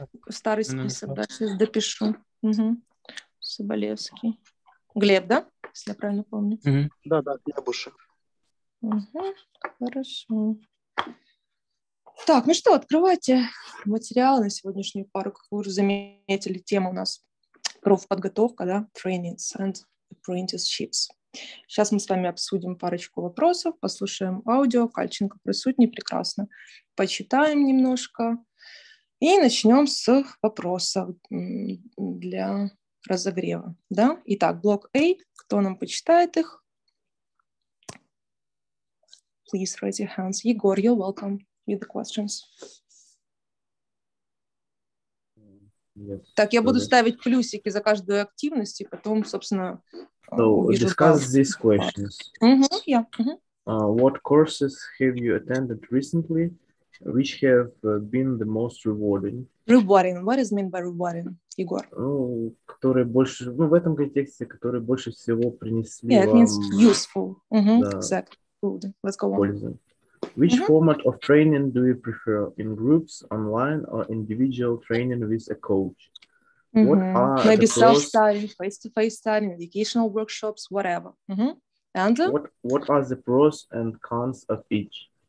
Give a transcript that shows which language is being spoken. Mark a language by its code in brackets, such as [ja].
[uk] Старий список, да, щось допишу. Угу. Соболєвський. Глеб, да? Якщо я правильно пам'ятаю. [ru] Да, да, Глебуша. Угу, хорошо. [uk] Так, ну що, відкривайте матеріали на сьогоднішню пару, як ви вже замітили, тема у нас профпідготовка, да? [en] Trainings and apprenticeships. [ru] Сейчас мы с вами обсудим парочку вопросов, послушаем аудио, Кальченко присутний, прекрасно. Почитаем немножко и начнем с вопросов для разогрева. Да? Итак, блок A, кто нам почитает их? [en] Please raise your hands. Егор, you're welcome with the questions. [ru] Нет, так, я буду ставить плюсики за каждую активность, и потом, собственно, [en] so, discuss там these questions. Uh-huh, yeah. Uh-huh. What courses have you attended recently, which have been the most rewarding? Rewarding. What does it mean by rewarding, Егор? [ru] Которые больше, ну, в этом контексте, которые больше всего принесли вам... [en] Yeah, it [ru] вам, [en] means useful. Uh-huh, да, exactly. Good. Let's go on. [ru] Пользу. [en] Which mm-hmm. format of training do you prefer, in groups, online, or individual training with a coach? Mm-hmm. What are maybe the self-study, pros... face-to-face study, educational workshops, whatever. Mm-hmm. And what are the pros and cons of each?